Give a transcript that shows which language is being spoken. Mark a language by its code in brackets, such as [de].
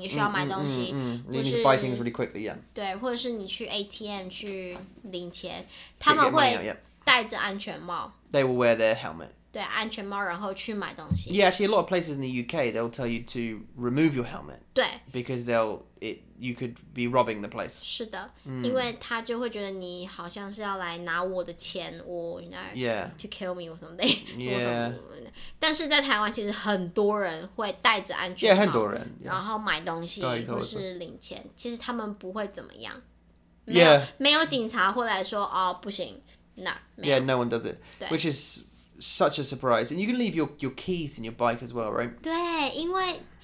[zh] 安全帽。对，安全帽就是，其实，在台湾很多人戴安全帽，因为在台湾每个人都有摩托车，很多摩托车，太多摩托车。对，然后如果你需要去买东西很快，你需要买东西，你就是buy [en] things really quickly, yeah. [zh] 对，或者是你去ATM去领钱，他们会戴着安全帽。They [en] will wear their helmet. [zh] 对，安全帽，然后去买东西。 [en] Yeah, actually, a lot of places in the UK, they'll tell you to remove your helmet. 对。Because you could be robbing the place. [zh] 是的，因为他就会觉得你好像是要来拿我的钱, [en] or, you know, to kill me or something. Yeah. [zh] 但是在台湾其实很多人会戴着安全帽。 Yeah, 很多人。然后买东西或是领钱, 其实他们不会怎么样。 [en] Yeah. [zh] 没有警察会来说, 哦,不行, no, 没有。 [en] Yeah, no one does it. 对。Which is... such a surprise. And you can leave your keys in your bike as well, right?